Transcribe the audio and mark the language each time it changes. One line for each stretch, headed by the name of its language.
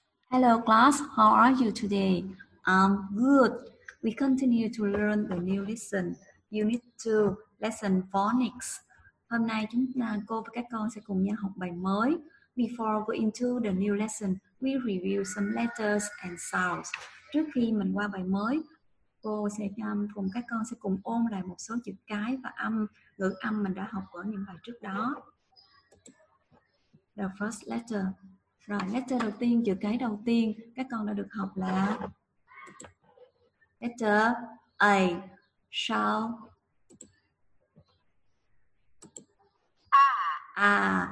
English: Hello class, how are you today? I'm good. We continue to learn the new lesson, Unit 2, Lesson Phonics.
Vietnamese: Hôm nay chúng ta, cô và các con sẽ cùng nhau học bài mới.
English: Before we into the new lesson, we review some letters and sounds.
Vietnamese: Trước khi mình qua bài mới, cô sẽ cùng các con sẽ cùng ôn lại một số chữ cái và âm, ngữ âm mình đã học ở những bài trước đó.
English: The first letter.
Vietnamese: Rồi, letter đầu tiên, chữ cái đầu tiên các con đã được học là letter A, sound A.